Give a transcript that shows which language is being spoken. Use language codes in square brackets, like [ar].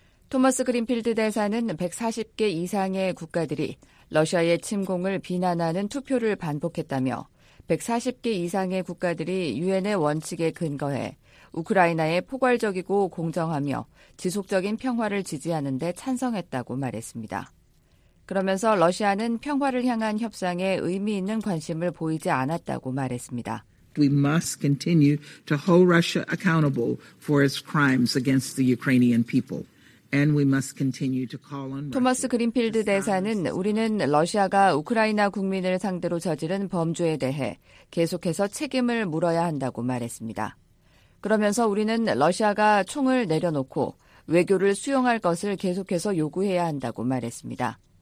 [ko] 토마스 그린필드 대사는 140개 이상의 국가들이 러시아의 침공을 비난하는 투표를 반복했다며 140개 이상의 국가들이 유엔의 원칙에 근거해 우크라이나의 포괄적이고 공정하며 지속적인 평화를 지지하는 데 찬성했다고 말했습니다. 그러면서 러시아는 평화를 향한 협상에 의미 있는 관심을 보이지 않았다고 말했습니다. [en] We must continue to hold Russia accountable for its crimes against the Ukrainian people. And we must continue to call on [ko] 토마스 그린필드 대사는 우리는 러시아가 우크라이나 국민을 상대로 저지른 범죄에 대해 계속해서 책임을 물어야 한다고 말했습니다. 그러면서 우리는 러시아가 총을 내려놓고 외교를 수용할 것을 계속해서 요구해야 한다고 말했습니다.